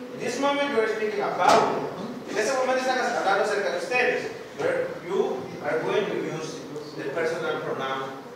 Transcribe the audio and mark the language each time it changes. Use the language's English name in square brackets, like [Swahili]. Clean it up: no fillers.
[English] In this moment, you are speaking about them. [Spanish] En este momento están hablando acerca de ustedes. [English] Where you are going to use the personal pronoun.